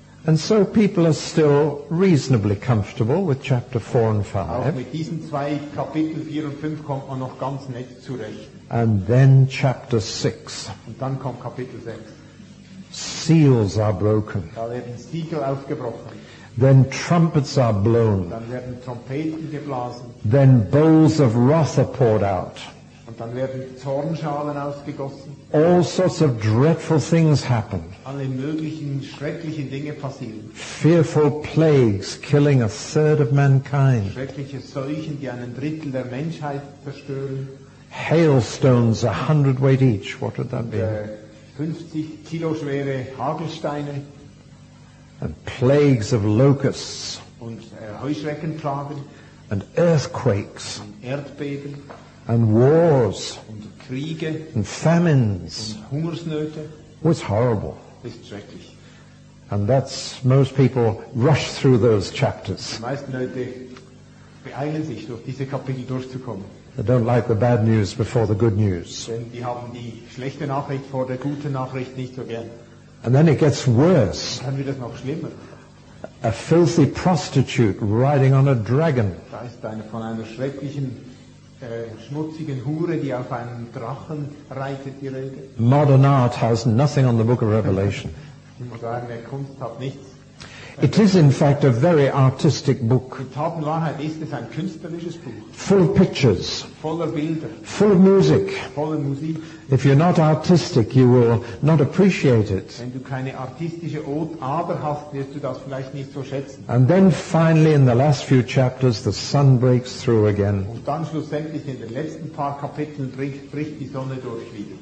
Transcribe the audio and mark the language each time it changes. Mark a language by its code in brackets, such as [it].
[en] And so people are still reasonably comfortable with chapter 4 and 5. [de] Auch mit diesen zwei Kapiteln 4 und 5 kommt man noch ganz nett zurecht. [en] And then chapter 6. [de] Und dann kommt Kapitel 6. [en] Seals are broken. [de] Da werden Siegel aufgebrochen. [en] Then trumpets are blown. [de] Und dann werden Trompeten geblasen. [en] Then bowls of wrath are poured out. [de] Und dann werden Zornschalen ausgegossen. [en] All sorts of dreadful things happen. [de] Alle möglichen schrecklichen Dinge passieren. [en] Fearful plagues killing a third of mankind. [de] Schreckliche Seuchen, die einen Drittel der Menschheit zerstören. [en] Hailstones, 100 weight each. What would that be? [de] 50 kilo schwere Hagelsteine. [en] And plagues of locusts. [de] Und Heuschreckenplagen. [en] And earthquakes. [de] Und Erdbeben. [en] And wars. [de] Und Kriege. [en] And famines. [de] Und Hungersnöte. [en] Was horrible. [de] Ist schrecklich. [en] And that's most people rush through those chapters. [de] Die meisten Leute beeilen sich, durch diese Kapitel durchzukommen. [en] They don't like the bad news before the good news. [de] Denn die haben die schlechte Nachricht vor der guten Nachricht nicht so gern. [en] And then it gets worse. [de] Und dann wird es noch schlimmer. [en] A filthy prostitute riding on a dragon. [de] Da ist eine von einer schrecklichen, schmutzigen Hure, die auf einem Drachen reitet, die Rede. [en] Modern art has nothing on the book of Revelation. [de] Die moderne Kunst hat nichts. [en] It is in fact a very artistic book. [de] Die Tatenwahrheit ist es ein künstlerisches Buch. [en] Full of pictures. [de] Voller Bilder. [en] Full of music. [de] Voller Musik. [en] If you're not artistic, you will not appreciate it. [de] Wenn du keine artistische Ader hast, wirst du das vielleicht nicht so schätzen. [en] And then finally in the last few chapters the sun breaks through again. [de] Und dann schlussendlich in den letzten paar Kapiteln bricht die Sonne durch wieder.